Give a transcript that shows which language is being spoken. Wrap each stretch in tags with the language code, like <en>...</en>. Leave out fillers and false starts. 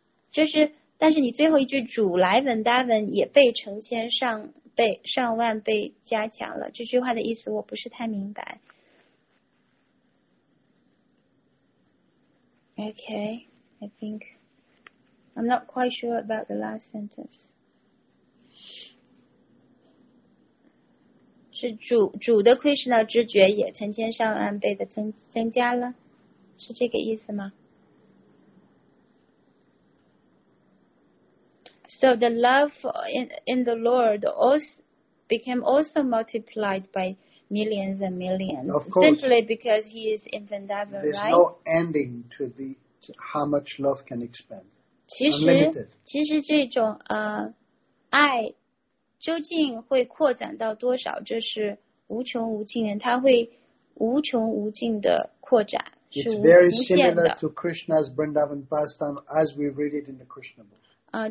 <zh>就是，但是你最后一句主来文达文也被成千上万倍加强了。这句话的意思我不是太明白。</zh> <en>Okay, I think I'm not quite sure about the last sentence.</en> <zh>是主的 Krishna 知觉也成千上万倍的增加了，是这个意思吗 ？</zh> <en>So the love in the Lord also became also multiplied by millions and millions. Of course, simply because he is in Vrindavan, right? There's no ending to how much love can expand.</en> <zh>其实、</zh> <en>Unlimited.</en> <zh>其实这种爱究竟会扩展到多少，这是无穷无尽的，它会无穷无尽的扩展，是无限的。</zh> <en>It's very similar to Krishna's Vrindavan pastime as we read it in the Krishna book.</en>